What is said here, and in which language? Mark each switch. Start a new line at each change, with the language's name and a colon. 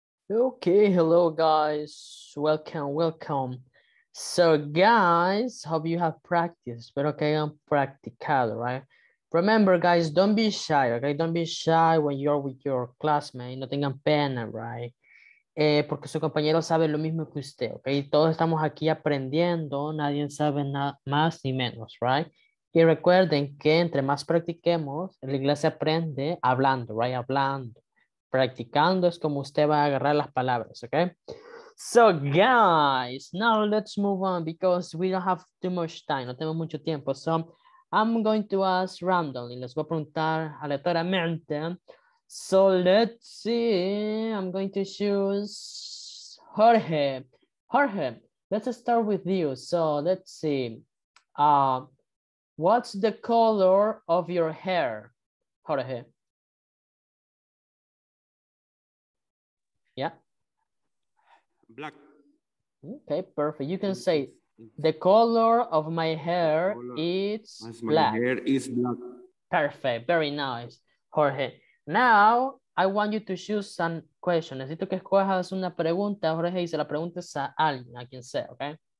English: Okay, hello guys, welcome. So guys, hope you have practiced, but okay, I'm practical, right? Remember guys, don't be shy, okay? Don't be shy when you're with your classmate,
Spanish: no tengan pena,
English: right?
Spanish: Porque su compañero sabe lo mismo que usted, ok, todos estamos aquí aprendiendo, nadie sabe nada más ni menos, right, y recuerden que entre más practiquemos, el inglés se aprende hablando, right, hablando, practicando es como usted va a agarrar las palabras, ok,
English: So guys, now let's move on because we don't have too much time,
Spanish: no tenemos mucho tiempo.
English: So I'm going to ask randomly,
Spanish: les voy a preguntar aleatoriamente.
English: So let's see, I'm going to choose Jorge. Jorge, let's start with you. So let's see, what's the color of your hair, Jorge? Yeah. Black. Okay, perfect. You can say the color of my hair is black. My hair is black. Perfect. Very nice, Jorge. Now I want you to choose some question.
Spanish: Necesito que escojas una pregunta, Jorge, y se la preguntes a alguien, a quien sea, okay?